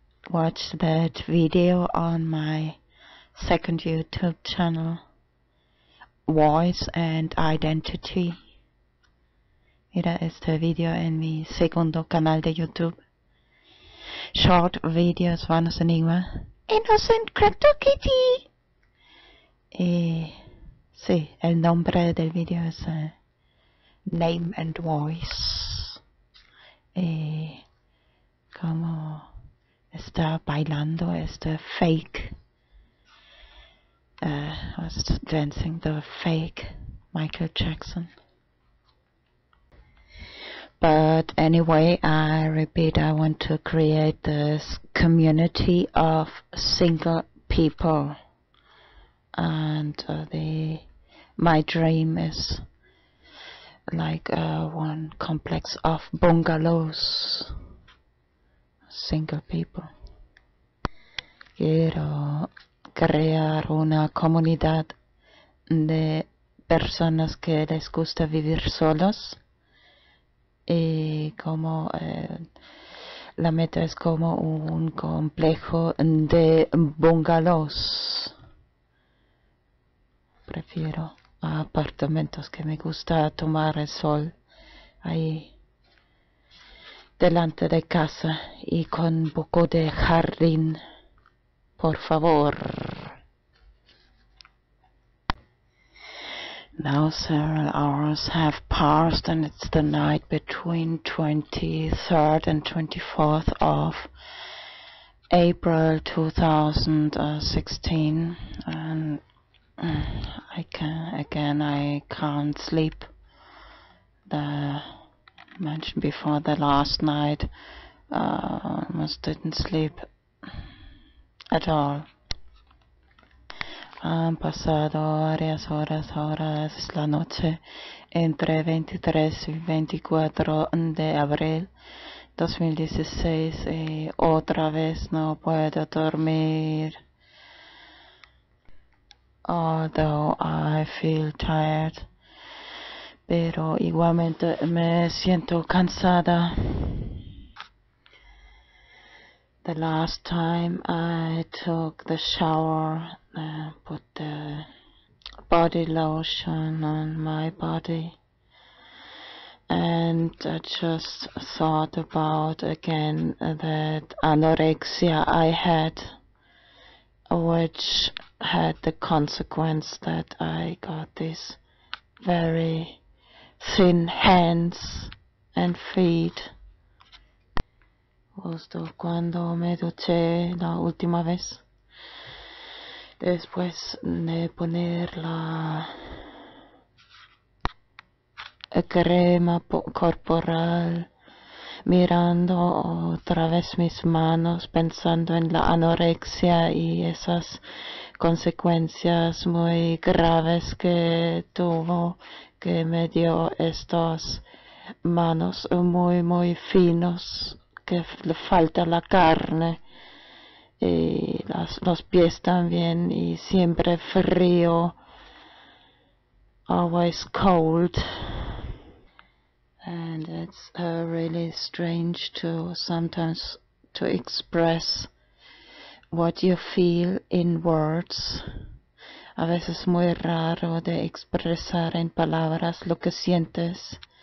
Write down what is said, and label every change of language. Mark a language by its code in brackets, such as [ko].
[en] Watch that video on my second YouTube channel, Voice and Identity. [es] Mira este video en mi segundo canal de YouTube. [en] Short videos, VanosEnigmA. Innocent Crypto Kitty. [es] Y sí, el nombre del video es Name and Voice. Y como está bailando este fake, [en] was dancing the fake Michael Jackson. But anyway, I repeat, I want to create this community of single people. And my dream is like one complex of bungalows. Single people. [es] Quiero crear una comunidad de personas que les gusta vivir solos. Y como la meta es como un complejo de bungalows. Prefiero apartamentos, que me gusta tomar el sol ahí. delante de casa y con un poco de jardín, por favor. [en] Now several hours have passed and it's the night between 23rd and 24th of April 2016, and I can't sleep. The mentioned before the last night, almost didn't sleep at all. [es] Han pasado varias horas, ahora es la noche, entre 23 y 24 de abril 2016, y otra vez no puedo dormir. [en] Although I feel tired, [es] pero igualmente me siento cansada. [en] The last time I took the shower, put the body lotion on my body, and I just thought about again that anorexia I had, which had the consequence that I got these very thin hands and feet. [es] Justo cuando me duché la última vez, después de poner la crema corporal, mirando otra vez mis manos, pensando en la anorexia y esas consecuencias muy graves que tuvo, que me dio estas manos muy, muy finos, que le falta la carne, y los pies también, y siempre frío, [en] always cold. And it's really strange to sometimes to express what you feel in words. [es] A veces muy raro de expresar en palabras lo que sientes.